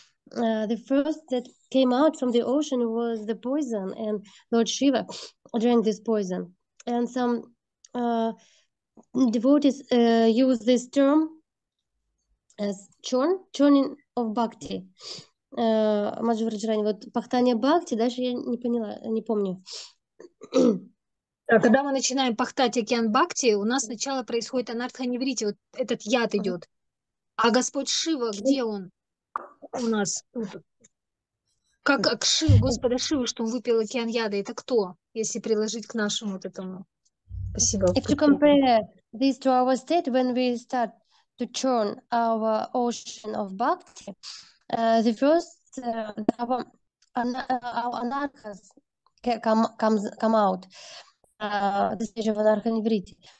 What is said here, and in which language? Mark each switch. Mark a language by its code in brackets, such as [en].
[en] The first that came out from the ocean was the poison, and Lord Shiva drank this poison. And some devotees use this term as churning of bhakti. [ru] Вот пахтание бхакти, дальше я не поняла, не помню. Когда мы начинаем пахтать океан бхакти, у нас сначала происходит анартха неврити, вот этот яд идет. А Господь Шива, где он у нас? Как к Шиву, Господа Шивы, что он выпил океан яда, это кто, если приложить к нашему вот этому? Спасибо. [en] If you compare this to our state, when we start to churn our ocean of bhakti, the first our anarchas come out, the stage of anarcha nivriti.